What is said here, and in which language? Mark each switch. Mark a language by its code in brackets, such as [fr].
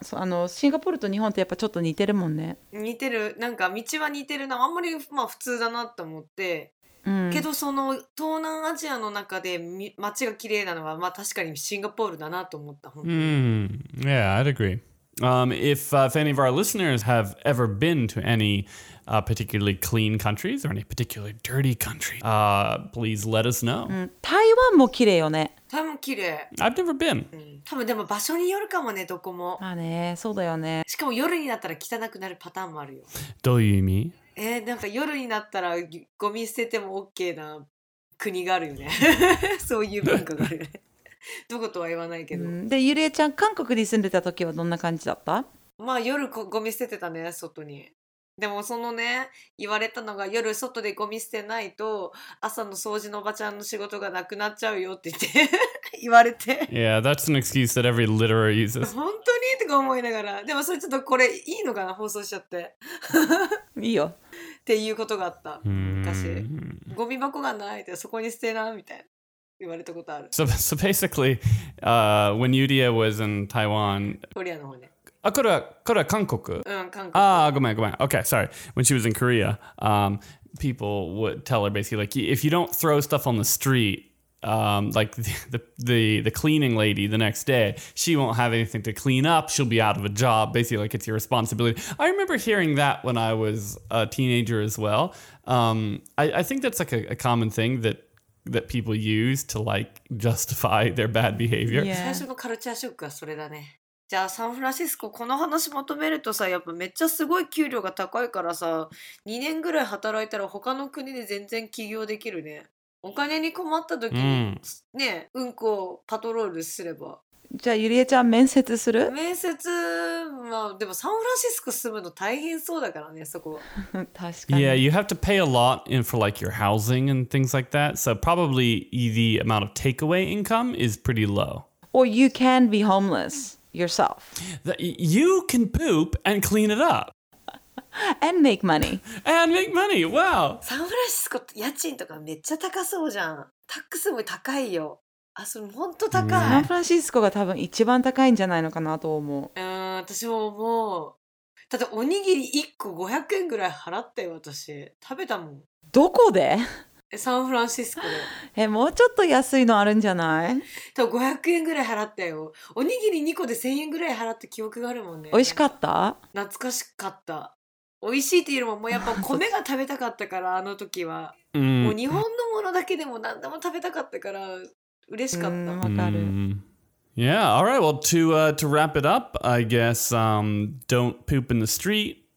[ja] そう、シンガポールと日本ってやっぱちょっと似てるもんね。似てる。なんか道は似てるな。あんまりまあ普通だなと思って。けどその東南アジアの中で街が綺麗なのはまあ確かにシンガポールだなと思った。 [en] Yeah, I'd agree. If any of our listeners have ever been to any particularly clean countries or any particularly dirty country, please let us know. [ja] 台湾も綺麗よね。台湾も綺麗。 [en] I've never been. [ja] 多分でも場所によるかもね、どこも。まあね、そうだよね。しかも夜になったら汚くなるパターンもあるよ。どういう意味？なんか夜になったらゴミ捨てても OK な国があるよね。そういう文化があるよね。どことは言わないけど。で、ゆりえちゃん、韓国に住んでた時はどんな感じだった？まあ夜ゴミ捨ててたね、外に。でもそのね、言われたのが夜外でゴミ捨てないと朝の掃除のおばちゃんの仕事がなくなっちゃうよって言って言われて。 [en] Yeah, that's an excuse that every litterer uses. [ja] 本当にとか思いながら。でもそれちょっとこれいいのかな、放送しちゃって。いいよ。っていうことがあった、昔。ゴミ箱がないってそこに捨てな、みたいな。言われたことある。 [en] So basically, when Yuria was in Taiwan... [ja] Korea の方ね。あ、これは、これは韓国。うん、韓国。あ、ごめん、ごめん。 [en] Okay, sorry. When she was in Korea, people would tell her basically, like, if you don't throw stuff on the street... like the cleaning lady the next day, she won't have anything to clean up. She'll be out of a job. Basically, like it's your responsibility. I remember hearing that when I was a teenager as well. I think that's like a common thing that people use to like justify their bad behavior. Yeah. [ja] 最初のカルチャーショックはそれだね。じゃあサンフランシスコこの話まとめるとさ、やっぱめっちゃすごい給料が高いからさ、2年ぐらい働いたら他の国で全然起業できるね。お金に困った時に、ね、うんこをパトロールすれば。じゃあゆりえちゃん面接する？面接、まあでもサンフランシスコ住むの大変そうだからね、そこ。確かに。 [en] Yeah, you have to pay a lot in for like your housing and things like that. So probably the amount of takeaway income is pretty low. Or you can be homeless yourself. You can poop and clean it up. And make money. And make money. Wow. [ja] サンフランシスコ家賃とかめっちゃ高そうじゃん。タックスも高いよ。あ、それ本当高い。サンフランシスコが多分一番高いんじゃないのかなと思う。うん、私も思う。ただおにぎり1個500円ぐらい払ったよ、私。食べたもん。どこで？サンフランシスコで。もうちょっと安いのあるんじゃない？多分500円ぐらい払ったよ。おにぎり2個で1000円ぐらい払った記憶があるもんね。美味しかった？懐かしかった。美味しいっていうのももうやっぱ米が食べたかったからあの時は、もう日本のものだけでも何でも食べたかったから嬉しかった。わかる。 [en] Yeah, all right. Well, to wrap it up, I guess don't poop in the street.